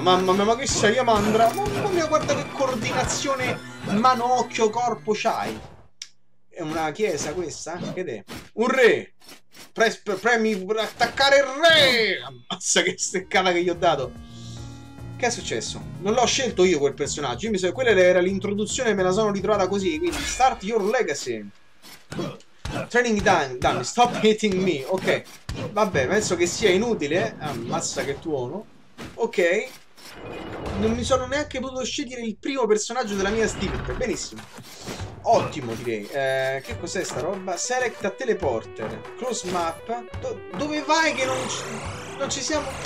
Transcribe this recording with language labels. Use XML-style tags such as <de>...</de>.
<it>Mamma mia, ma che sei, Amandra? Mamma mia, guarda che coordinazione mano-occhio-corpo c'hai. È una chiesa questa? Che è? Un re! Premi per attaccare il re! Ammazza che steccata che gli ho dato. Che è successo? Non l'ho scelto io quel personaggio. Io mi sono... Quella era l'introduzione e me la sono ritrovata così. Quindi</it> <en>start your legacy. Training time,</en> <it>dammi,</it> <en>stop hitting me.</en> <it>Ok, vabbè, penso che sia inutile. Ammazza che tuono. Ok, non mi sono neanche potuto scegliere il primo personaggio della mia stirpe. Benissimo, ottimo direi. Che cos'è sta roba?</it> <en>Select a teleporter, close map.</en> <it>Dove vai che non ci siamo?</it>